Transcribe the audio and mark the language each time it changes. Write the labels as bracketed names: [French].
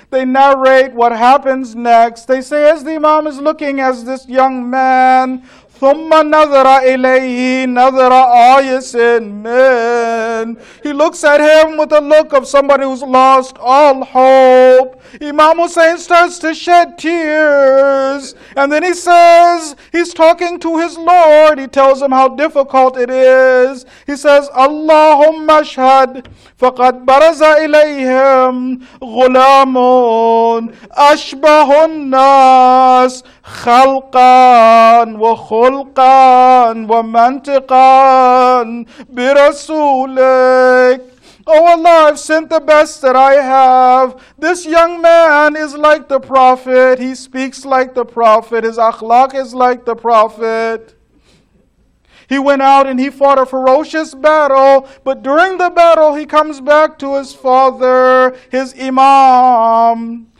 [English] They narrate what happens next. They say, as the Imam is looking at this young man, [Arabic] ثُمَّ نَذَرَ إِلَيْهِ نَذَرَ آيَسٍ مِّنْ. [English] He looks at him with the look of somebody who's lost all hope. Imam Hussein starts to shed tears. And then he says, he's talking to his Lord. He tells him how difficult it is. He says, [Arabic] اللهم اشهد فقد برز إليهم غلام أشبه الناس خلقا وخلقا ومنطقا برسولك. [English] Oh Allah, I've sent the best that I have. This young man is like the Prophet. He speaks like the Prophet. His akhlaq is like the Prophet. He went out and he fought a ferocious battle. But during the battle, he comes back to his father, his Imam.